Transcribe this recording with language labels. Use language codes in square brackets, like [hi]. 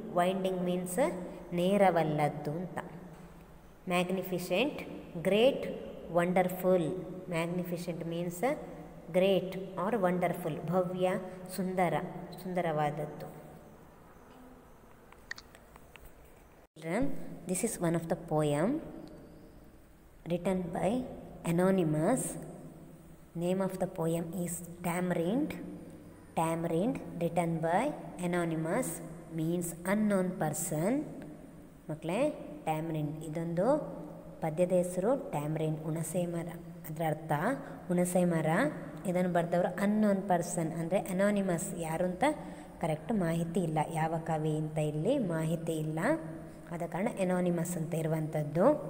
[en] winding means [kn] ನೇರವಲ್ಲದ್ದು ಅಂತ. [en] Magnificent, great, wonderful. Magnificent means great or wonderful, [kn] Bhavya, Sundara, ಸುಂದರವಾದದ್ದು. [en] Children, this is one of the poem written by anonymous. Name of the poem is Tamarind. Tamarind, written by anonymous, means unknown person. [kn] ಮಕ್ಕಳೆ, tamarind ಇದೊಂದು ಪದ್ಯದ ಹೆಸರು. Tamarind ಹುಣಸೆ ಮರ, ಅದರ ಅರ್ಥ ಹುಣಸೆ ಮರ. ಇದನ್ನು ಬರೆದವರು [en] unknown person, [kn] ಅಂದರೆ ಅನಾನಿಮಸ್, ಯಾರು ಅಂತ ಕರೆಕ್ಟ್ ಮಾಹಿತಿ ಇಲ್ಲ. ಯಾವ ಕವಿ ಅಂತ ಇಲ್ಲಿ ಮಾಹಿತಿ ಇಲ್ಲ, ಆದ ಕಾರಣ ಎನಾನಿಮಸ್ ಅಂತ ಇರುವಂಥದ್ದು.